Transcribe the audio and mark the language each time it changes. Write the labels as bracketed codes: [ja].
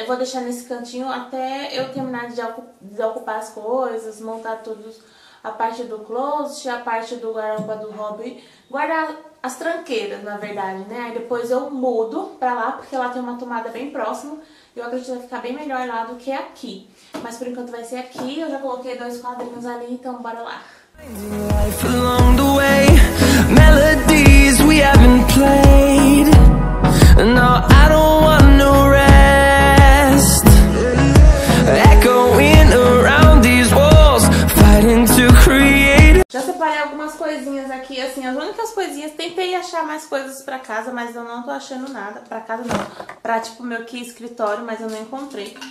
[pt] Eu vou deixar nesse cantinho até eu terminar de desocupar as coisas, montar todos a parte do closet, a parte do guarda-roupa do hobby, guardar as tranqueiras, na verdade, né? Aí depois eu mudo pra lá, porque lá tem uma tomada bem próxima. E eu acredito que vai ficar bem melhor lá do que aqui. Mas por enquanto vai ser aqui. Eu já coloquei dois quadrinhos ali, então bora lá. [en] Life along the way, melodies we haven't played. No, I don't want no rest. Echoing around these walls, fighting to create. [pt] Já separei algumas coisinhas aqui, assim, as únicas coisinhas, tentei achar mais coisas pra casa, mas eu não tô achando nada, pra casa não, pra tipo meu aqui escritório, mas eu não encontrei.